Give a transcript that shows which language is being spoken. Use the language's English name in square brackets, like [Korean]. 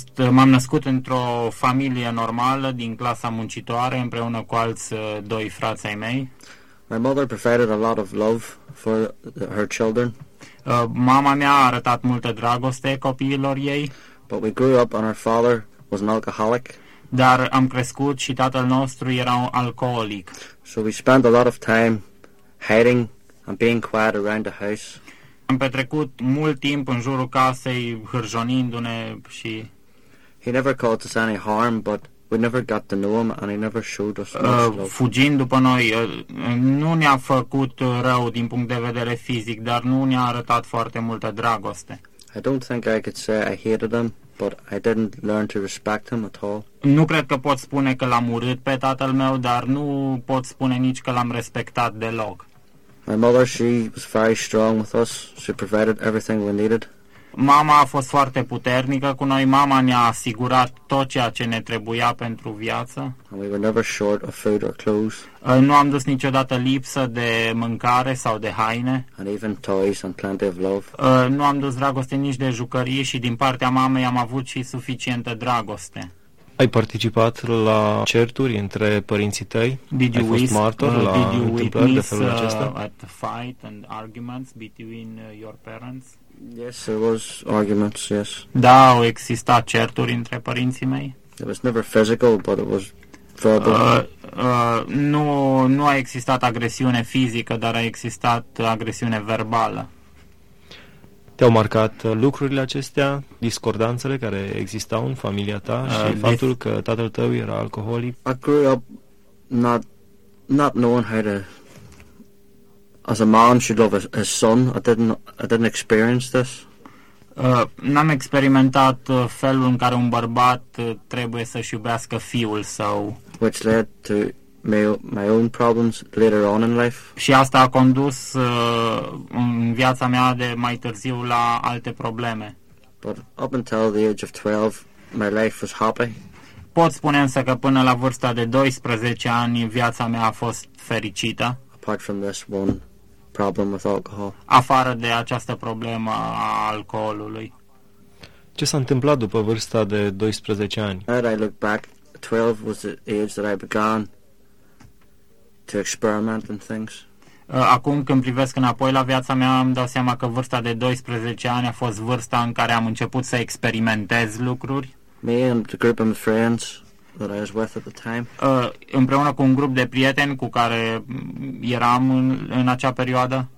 [Romanian] M-am născut într-o familie normală din clasa muncitoare împreună cu alți doi frați ai mei. [English] My mother provided a lot of love for her children. [Romanian] Mama mea a arătat multă dragoste copiilor ei. [English] But we grew up and our father was an alcoholic. [Romanian] Dar am crescut și tatăl nostru era un alcoolic. [English] So we spent a lot of time hiding and being quiet around the house. [Romanian] Am petrecut mult timp în jurul casei, hârjonindu-ne și... [English] He never caused us any harm, but we never got to know him and he never showed us much love. [Romanian] Fugind după noi, nu ne-a făcut rău din punct de vedere fizic, dar nu ne-a arătat foarte multă dragoste. [English] I don't think I could say I hated him, but I didn't learn to respect him at all. [Romanian] Nu cred că pot spune că l-am urât pe tatăl meu, dar nu pot spune nici că l-am respectat deloc. [English] My mother, she was very strong with us. She provided everything we needed. [Romanian] Mama a fost foarte puternică cu noi. Mama ne-a asigurat tot ceea ce ne trebuia pentru viață. [English] And we were never short of food or clothes. [Romanian] Nu am dus niciodată lipsă de mâncare sau de haine. [English] And even toys and plenty of love. [Romanian] Nu am dus dragoste nici de jucărie și din partea mamei am avut și suficientă dragoste. Ai participat la certuri între părinții tăi? [English] Did you [Romanian] ai fost martor la întâmplări de felul acesta? [English] At fight and arguments between your parents? Yes, there was arguments, yes. [Romanian] Da, au existat certuri între părinții mei. [English] It was never physical, but it was verbal. [Romanian] Nu a existat agresiune fizică, dar a existat agresiune verbală. Te-au marcat lucrurile acestea, discordanțele care existau în familia ta și faptul că tatăl tău era alcoolic? [English] I grew up not knowing how to... As a man should love his son. I didn't experience this. [Romanian] N-am experimentat felul în care un bărbat trebuie să-și iubească fiul său. [English] Which led to my own problems later on in life. [Romanian] Și asta a condus în viața mea de mai târziu la alte probleme. [English] But up until the age of 12, my life was happy. [Romanian] Pot spune însă că până la vârsta de 12 ani viața mea a fost fericită. [English] Apart from this one problem with alcohol. [Romanian] Afară de această problemă a alcoolului. Ce s-a întâmplat după vârsta de 12 ani? [English] And I look back, 12 was the age that I began to experiment in things. [Romanian] Acum când privesc înapoi la viața mea, îmi dau seama că vârsta de 12 ani a fost vârsta în care am început să experimentez lucruri. [English] Me and the group of friends that I was with at the time. [Romanian] Împreună cu un grup de prieteni cu care eram în acea perioadă.